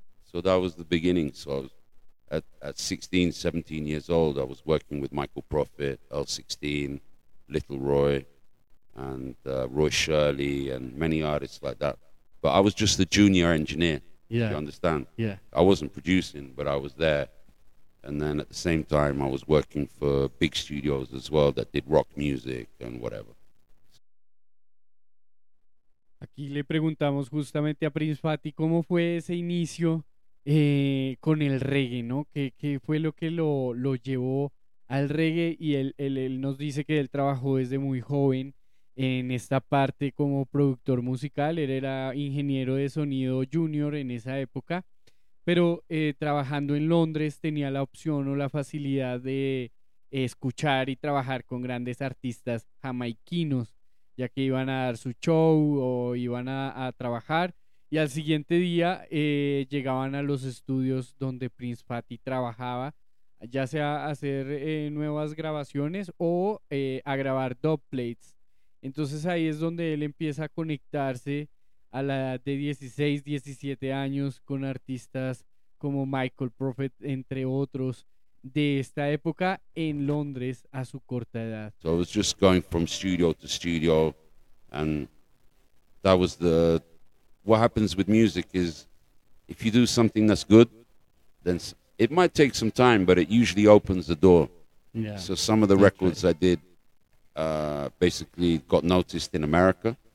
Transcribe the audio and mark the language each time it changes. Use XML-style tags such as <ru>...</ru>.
<en>So that was the beginning. So I was at 16, 17 years old, I was working with Michael Prophet, L16, Little Roy, and Roy Shirley, and many artists like that. But I was just the junior engineer, yeah. You understand? Yeah. I wasn't producing, but I was there. And then at the same time, I was working for big studios as well that did rock music and whatever.</en> <es>Aquí le preguntamos justamente a Prince Fatty cómo fue ese inicio con el reggae, ¿no? ¿Qué fue lo que lo llevó al reggae? Y él nos dice que él trabajó desde muy joven en esta parte como productor musical. Él era ingeniero de sonido junior en esa época, pero trabajando en Londres tenía la opción o la facilidad de escuchar y trabajar con grandes artistas jamaiquinos, ya que iban a dar su show o iban a trabajar. Y al siguiente día llegaban a los estudios donde Prince Fatty trabajaba, ya sea a hacer nuevas grabaciones o a grabar dub plates. Entonces ahí es donde él empieza a conectarse a la edad de 16, 17 años con artistas como Michael Prophet, entre otros, de esta época en Londres a su corta edad.</es> <en>So I was just going from studio to studio, and that was the... What happens with music is, if you do something that's good, then it might take some time, but it usually opens the door. Yeah. So some of the records I did basically got noticed in America.</en>